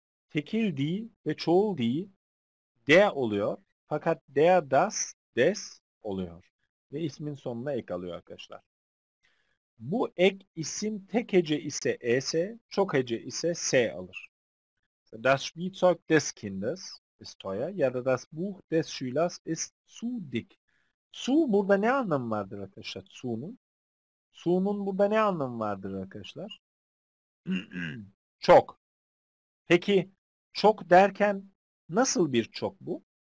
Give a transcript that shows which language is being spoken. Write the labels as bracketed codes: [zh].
[tr] Tekil die ve çoğul die der oluyor. Fakat der das des oluyor. Ve ismin sonuna ek alıyor arkadaşlar. Bu ek isim tek hece ise es, çok hece ise s alır. [de] Das Spielzeug des Kindes ist teuer [tr] ya da [de] das Buch des Schülers ist zu dick. [tr] Zu burada ne anlamı vardır arkadaşlar? Zu'nun. Zu'nun burada ne anlamı vardır arkadaşlar? Çok. Peki çok derken nasıl bir çok bu?